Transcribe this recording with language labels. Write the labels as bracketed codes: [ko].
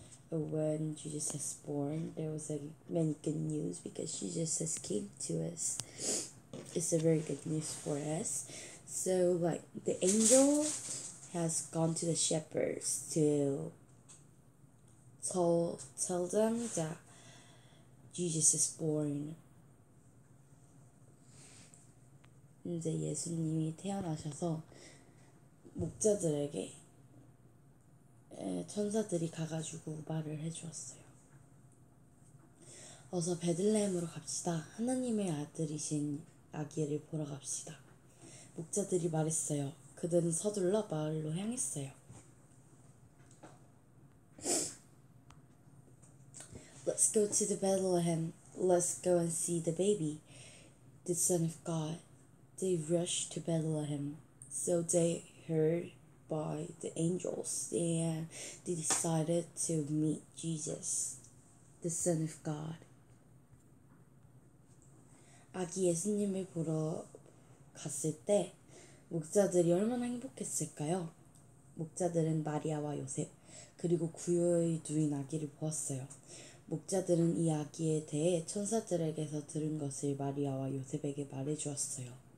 [en] when Jesus was born, there was many good news because Jesus has came to us. It's a very good news for us. So like the angel has gone to the shepherds to tell them that Jesus is born. [ko] 이제 예수님이 태어나셔서 목자들에게 천사들이 가가지고 말을 해주었어요. 어서 베들레헴으로 갑시다. 하나님의 아들이신 아기를 보러 갑시다. 목자들이 말했어요. 그들은 서둘러 마을로 향했어요. [en] Let's go to the Bethlehem. Let's go and see the baby, the Son of God. They rushed to Bethlehem. So they heard by the angels and they decided to meet Jesus, the Son of God. [ko] 아기 예수님을 보러 갔을 때 목자들이 얼마나 행복했을까요? 목자들은 마리아와 요셉, 그리고 구유의 누인 아기를 보았어요. 목자들은 이 아기에 대해 천사들에게서 들은 것을 마리아와 요셉에게 말해주었어요.